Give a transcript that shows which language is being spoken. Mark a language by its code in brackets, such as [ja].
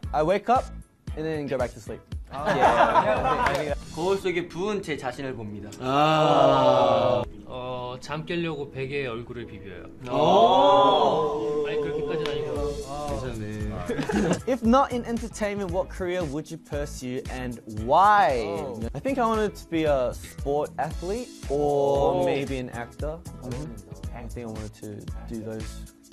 [en] I wake up and then go back to sleep. Yeah. [ko] 거울 속에 부은 제 자신을 봅니다. 잠 깨려고 베개에 얼굴을 비벼요. 아니 그렇게까지는 아니고. [en] If not in entertainment, what career would you pursue and why? I think I wanted to be a sport athlete or maybe an actor. Mm-hmm. I think I wanted to do those.